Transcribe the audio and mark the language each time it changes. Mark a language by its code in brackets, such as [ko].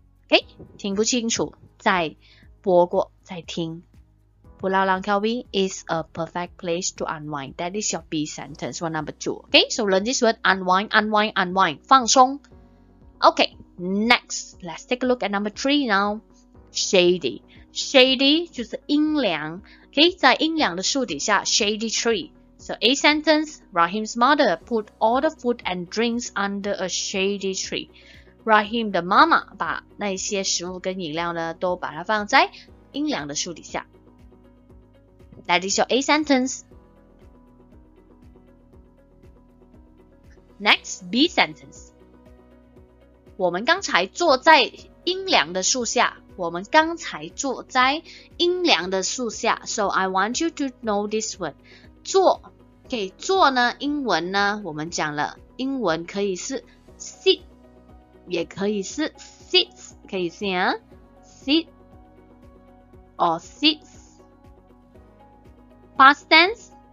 [zh] 诶，听不清楚，再播过，再听。 [en] Pulau Langkawi is a perfect place to unwind. That is your B sentence, one number two. Okay, so learn this word, unwind, unwind, unwind, [zh] 放松。 [en] Okay, next, let's take a look at number three now. Shady. [zh] Shady 就是阴凉。Okay, 在阴凉的树底下 , [en] shady tree. So A sentence, Rahim's mother put all the food and drinks under a shady tree. [zh] Rahim 的妈妈把那些食物跟饮料呢都把它放在阴凉的树底下。 [en] That is your A sentence. Next, B sentence. [zh] 我们刚才坐在阴凉的树下。我们刚才坐在阴凉的树下。 [en] So I want you to know this word. [zh] 坐。Okay, 坐呢，英文呢，我们讲了，英文可以是 sit, 也可以是 sits, 可以是啊 , [en] sit, or sits. Past tense?